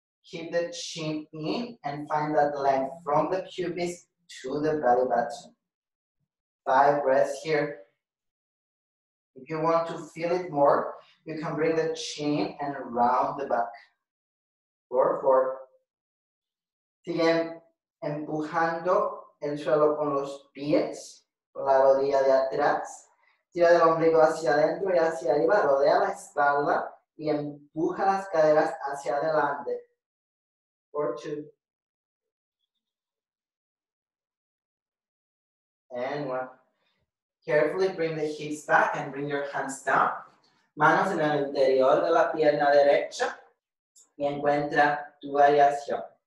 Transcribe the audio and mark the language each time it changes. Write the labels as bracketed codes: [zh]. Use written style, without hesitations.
[en] Keep the chin in and find that length from the pubis to the belly button. 5 breaths here. If you want to feel it more, you can bring the chin and round the back. 4, 4. [es] Sigue empujando el suelo con los pies, con la rodilla de atrás. Tira del ombligo hacia adentro y hacia arriba, rodea la espalda y empuja las caderas hacia adelante. [en] 4, 2. And 1. Carefully bring the hips back and bring your hands down. [es] Manos en el interior de la pierna derecha y encuentra tu variación.